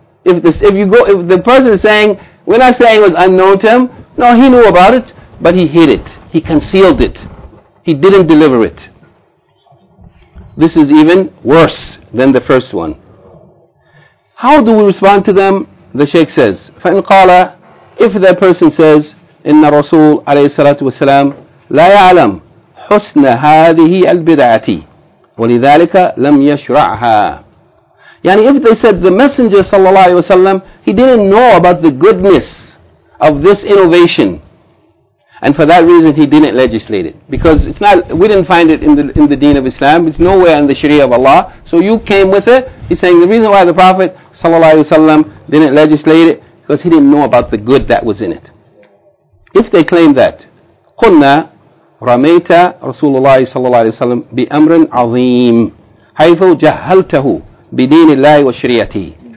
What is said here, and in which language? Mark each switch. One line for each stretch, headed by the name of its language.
English: If the person is saying, we're not saying it was unknown to him. No, he knew about it, but he hid it. He concealed it. He didn't deliver it. This is even worse than the first one. How do we respond to them?
Arabic: The Shaykh says, فَإِنْ قَالَ, if that person says, إِنَّ الرَّسُولَ عَلَيْهِ الصَّلَاةُ وَالسَّلَامُ لَا يَعْلَمْ حُسْنَ هَذِهِ الْبِدْعَةِ وَلِذَلِكَ لَمْ يَشْرَعْهَا.
English: Yani, if they said the Messenger sallallahu alaihi wasallam, he didn't know about the goodness of this innovation, and for that reason he didn't legislate it, because it's not, we didn't find it in the Deen of Islam. It's nowhere in the Sharia of Allah. So you came with it. He's saying the reason why the Prophet sallallahu alaihi wasallam didn't legislate it because he didn't know about the good that was in it.
Arabic: If they claim that, قلنا رميت رسول الله صلى الله عليه وسلم بأمر عظيم حيث جهلته بدين الله وشريعته.